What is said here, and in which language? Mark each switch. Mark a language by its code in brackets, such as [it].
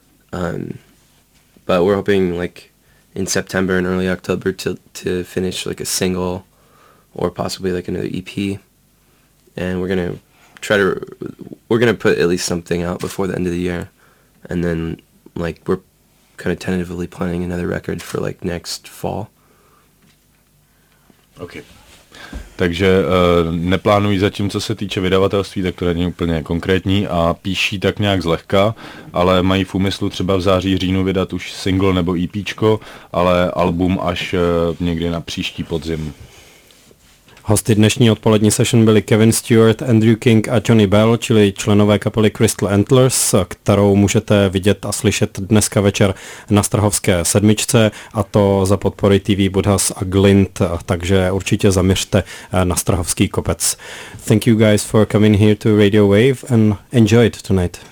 [en] But we're hoping, like, in September and early October to finish, like, a single or possibly, like, another EP. And we're going to try to, we're going to put at least something out before the end of the year. And then, like, we're kind of tentatively planning another record for, like, next fall. Okay. [cs] Takže neplánují zatím, co se týče vydavatelství, tak to není úplně konkrétní a píší tak nějak zlehka, ale mají v úmyslu třeba v září, říjnu vydat už single nebo EPčko, ale album až někdy na příští podzim. Hosty dnešní odpolední session byli Kevin Stewart, Andrew King a Johnny Bell, čili členové kapely Crystal Antlers, kterou můžete vidět a slyšet dneska večer na Strahovské sedmičce, a to za podpory TV Budhas a Glint, takže určitě zaměřte na Strahovský kopec. [en] Thank you guys for coming here to Radio Wave and enjoy it tonight.